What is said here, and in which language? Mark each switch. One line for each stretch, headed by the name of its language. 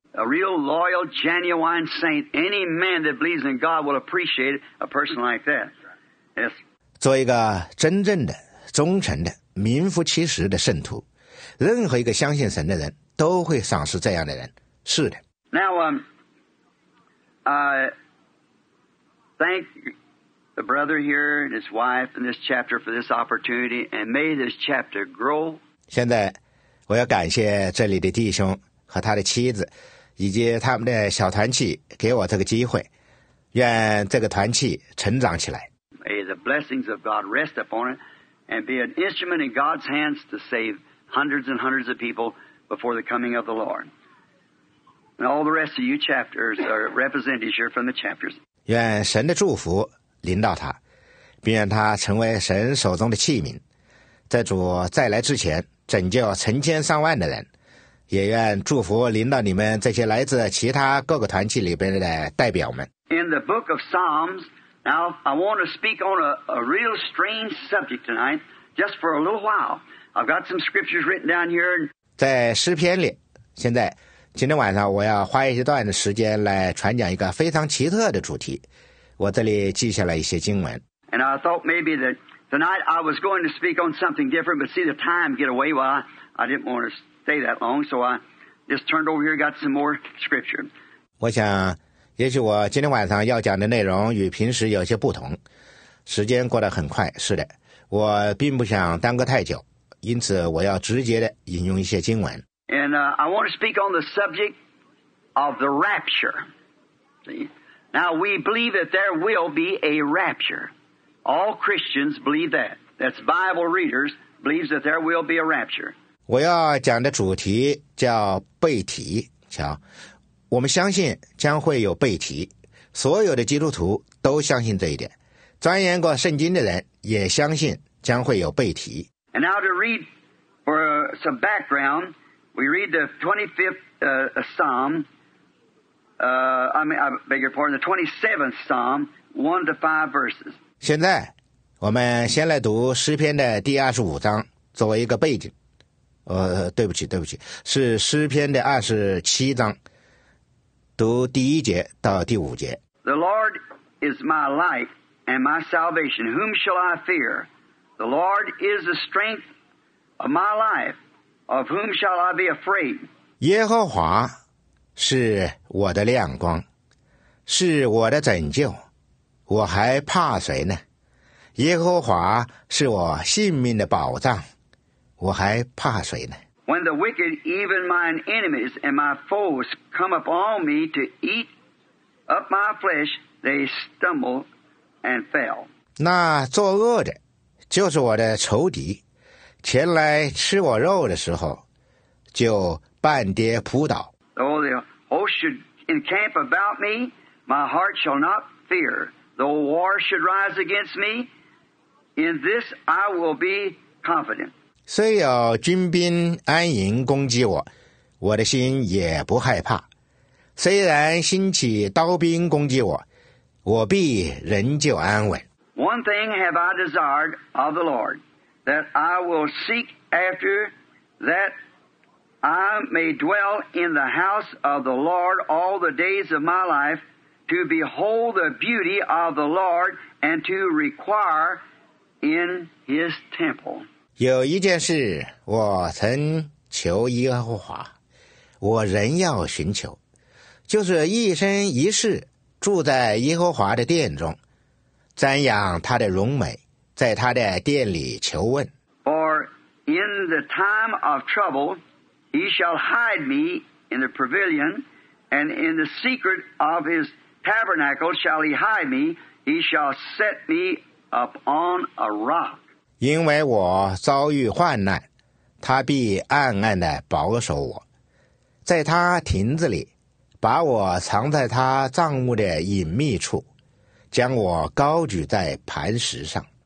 English: A real loyal, genuine saint. Any man that believes in God will appreciate a person like that. Yes.
Chinese: 做一个真正的、忠诚的、名副其实的圣徒，任何一个相信神的人都会赏识这样的人。是的。
English: Now, thank the brother here and his wife and this chapter for this opportunity, and may this chapter grow.
Chinese: 现在，我要感谢这里的弟兄和他的妻子。以及他们的小团契给我这个机会，愿这个团契成长起来。
English: May the blessings of God rest upon it and be an instrument in God's hands to save hundreds and hundreds of people before the coming of the Lord. And all the rest of you chapters are representatives here from the chapters.
Chinese: 愿神的祝福临到他，并愿他成为神手中的器皿，在主再来之前拯救成千上万的人。也愿祝福临到你们这些来自其他各个团契里边的代表们。
English: In the book of Psalms, now I want to speak on a real strange subject tonight, just for a little while. I've got some scriptures written down here.
Chinese: 在诗篇里，现在今天晚上我要花一段的时间来传讲一个非常奇特的主题。我这里记下了一些经文。
English: And I thought maybe that tonight I was going to speak on something different, but see the time get away. Well, I didn't want to stay that long, so I just turned over here, got some more scripture.
Chinese: 我想，也许我今天晚上要讲的内容与平时有些不同。时间过得很快，是的，我并不想耽搁太久，因此我要直接的引用一些经文。
English: And I want to speak on the subject of the rapture. See? Now, we believe that there will be a rapture. All Christians believe that. That's Bible readers believes that there will be a rapture.
Chinese: 我要讲的主题叫被提，瞧，我们相信将会有被提，所有的基督徒都相信这一点，钻研过圣经的人也相信将会有被提。
English: And now to read for some background,We read the 25th Psalm, I beg your pardon, the 27th Psalm, 1 to 5 verses.
Chinese: 现在我们先来读诗篇的第25章作为一个背景。对不起，是诗篇的27章，读第一节到第五节。
English: The Lord is my light and my salvation. Whom shall I fear? The Lord is the strength of my life. Of whom shall I be afraid?
Chinese: 耶和华是我的亮光，是我的拯救，我还怕谁呢？耶和华是我性命的保障，我还怕谁呢？
English: When the wicked, even mine enemies and my foes, come upon me to eat up my flesh, they stumble and fell.
Chinese: 那作恶的，就是我的仇敌。前来吃我肉的时候，就半跌扑倒。
English: Though the host should encamp about me, my heart shall not fear. Though war should rise against me, in this I will be confident.
Chinese: 虽有军兵安营攻击我，我的心也不害怕。虽然兴起刀兵攻击我，我必仍旧安稳。
English: One thing have I desired of the Lord. That I will seek after that I may dwell in the house of the Lord all the days of my life to behold the beauty of the Lord and to require in his temple.
Chinese: 有一件事我曾求耶和华，我仍要寻求，就是一生一世住在耶和华的殿中，瞻仰他的荣美。在他的殿里求问。
English: For in the time of trouble, he shall hide me in the pavilion, and in the secret of his tabernacle shall he hide me. He shall set me up on a rock.
Chinese: 因为我遭遇患难，他必暗暗地保守我，在他亭子里，把我藏在他帐幕的隐秘处，将我高举在磐石上。